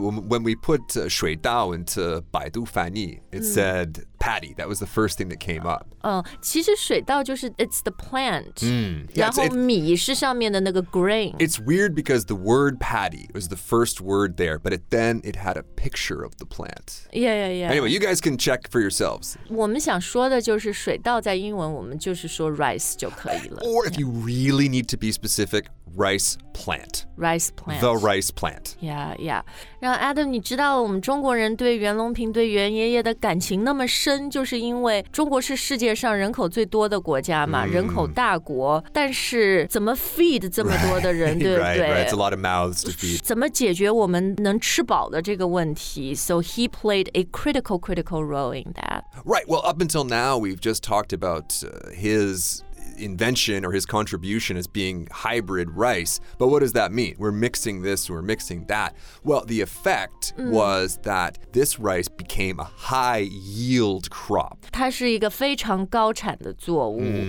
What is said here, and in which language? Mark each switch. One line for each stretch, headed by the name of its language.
English: But when we put 水稻 into 百度翻译, it said paddy. That was the first thing that came up.
Chinese: 其实水稻就是
English: it's the plant. Yeah,
Chinese: 然后米是上面的那个 grain.
English: It's weird because the word paddy was the first word there, but it had a picture of the plant. Yeah, yeah, yeah. Anyway, you guys can check for yourselves.
Chinese: 我们想说的就是水稻在英文我们就是说 rice 就可以了。
English: Or if you really need to be specific,Rice plant. The rice plant. Yeah, yeah.
Chinese: 然后 Adam, 你知道我们中国人对袁隆平对袁爷爷的感情那么深就是因为中国是世界上人口最多的国家嘛、人口大国但是怎么 feed 这么多的人
English: right,
Chinese: 对不对
English: right, right, it's a lot of mouths to feed.
Chinese: 怎么解决我们能吃饱的这个问题
English: So he played a critical role in that. Right, well, up until now, we've just talked about his... invention or his contribution as being hybrid rice. But what does that mean? We're mixing this, we're mixing that. Well, the effect was that this rice became a high yield crop.
Chinese: 它是一个非常高产的作物。